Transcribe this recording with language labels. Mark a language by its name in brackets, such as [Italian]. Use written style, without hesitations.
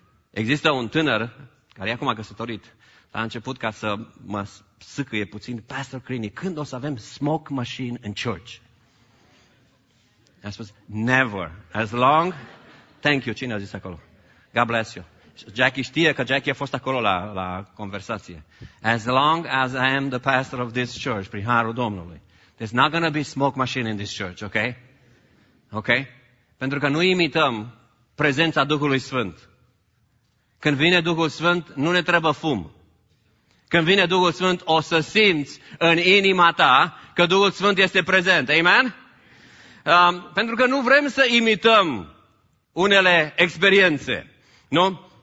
[Romanian] Există un tânăr care e acum căsătorit. A început ca să mă sâcâie puțin, Pastor Crini, când o să avem smoke machine în [English] church? [Romanian] I-a spus, [English] never, as long, thank you, [Romanian] cine a zis acolo? [English] God bless you. [Romanian] Jackie știe că Jackie a fost acolo la conversație. [English] As long as I am the pastor of this church, [Romanian] prin harul Domnului, [English] there's not going to be smoke machine in this church, ok? Ok? [Romanian] Pentru că nu imităm prezența Duhului Sfânt. Când vine Duhul Sfânt, nu ne trebuie fum. Când vine Duhul Sfânt, o să simți în inima ta că Duhul Sfânt este prezent. Amen? Pentru că nu vrem să imităm unele experiențe. Nu?